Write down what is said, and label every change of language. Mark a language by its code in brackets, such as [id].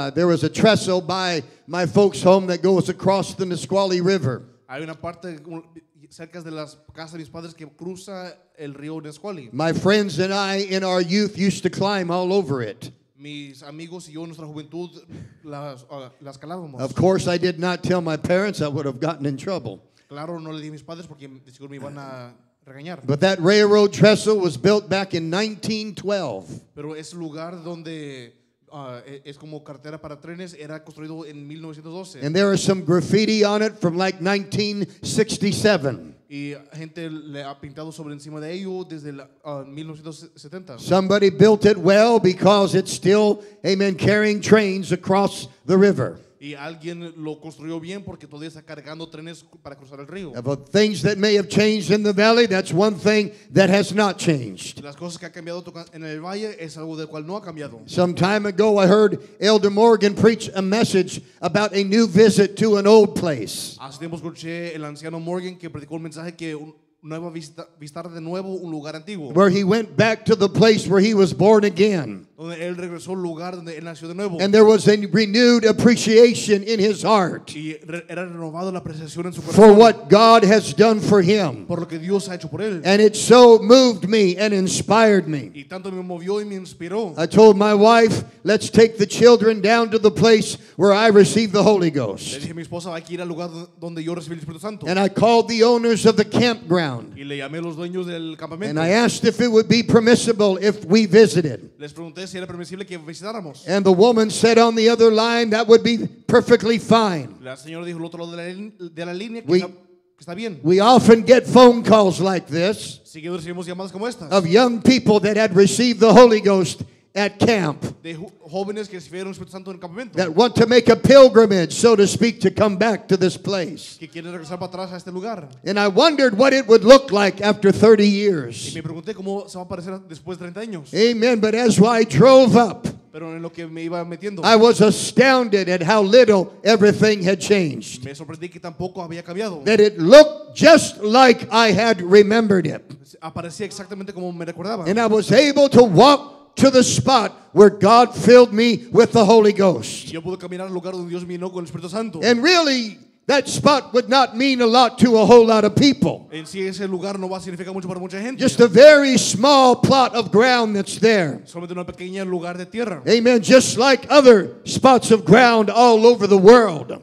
[en] There was a trestle by my folks' home that goes across the Nisqually River. [es] Hay una parte cerca de las casas de mis padres que cruza el río Nisqually. [en] My friends and I in our youth used to climb all over it. [es] Mis amigos y yo en nuestra juventud las escalábamos. [en] Of course I did not tell my parents, I would have gotten in trouble. [es] Claro, no le dije a mis padres porque de seguro me iban a regañar. [en] But that railroad trestle was built back in 1912. [es] Pero ese lugar donde es como carretera para trenes era construido en 1912. [en] And there is some graffiti on it from like 1967. [es] Y gente le ha pintado sobre encima de ello desde 1970. [en] Somebody built it well because it's still, amen, carrying trains across the river. [es] Y alguien lo construyó bien porque todavía está cargando trenes para cruzar el río. [en] But things that may have changed in the valley, that's one thing that has not changed. [es] Las cosas que ha cambiado en el valle es algo del cual no ha cambiado. [en] Some time ago I heard Elder Morgan preach a message about a new visit to an old place. [es] Hace tiempo escuché el anciano Morgan que predicó un mensaje que nueva visitar de nuevo un lugar antiguo. [en] Where he went back to the place where he was born again. [es] Donde él regresó al lugar donde él nació de nuevo. [en] And there was a renewed appreciation in his heart. [es] Y era renovado la apreciación en su corazón. [en] For what God has done for him. [es] Por lo que Dios ha hecho por él. [en] And it so moved me and inspired me. [es] Y tanto me movió y me inspiró. [en] I told my wife, let's take the children down to the place where I received the Holy Ghost. [es] Le dije a mi esposa, hay que ir al lugar donde yo recibí el Espíritu Santo. [en] And I called the owners of the campground. [es] Y le llamé los dueños del campamento. [en] And I asked if it would be permissible if we visited. [es] Les pregunté si era permisible que visitáramos. [en] And the woman said on the other line that would be perfectly fine. [es] La señora dijo el otro lado de la línea que está bien. [en] We often get phone calls like this. [es] Seguido recibimos llamadas como estas. [en] Of young people that had received the Holy Ghost at camp. [es] De jóvenes que recibieron el Espíritu Santo en el campamento. [en] That want to make a pilgrimage, so to speak, to come back to this place. [es] Que quieren regresar para atrás a este lugar. [en] And I wondered what it would look like after 30 years. [es] Y me pregunté cómo se va a parecer después de 30 años. [en] Amen. But as I drove up, [es] pero en lo que me iba metiendo, [en] I was astounded at how little everything had changed. [es] Me sorprendí que tampoco había cambiado. [en] That it looked just like I had remembered it. [es] Aparecía exactamente como me recordaba. [en] And I was able to walk to the spot where God filled me with the Holy Ghost. [es] Yo pude caminar al lugar donde Dios me llenó con el Espíritu Santo. [en] And really, that spot would not mean a lot to a whole lot of people. [es] En sí, ese lugar no va a significar mucho para mucha gente. [en] Just a very small plot of ground that's there. [es] Solamente una pequeña lugar de tierra. [en] Amen. Just like other spots of ground all over the world.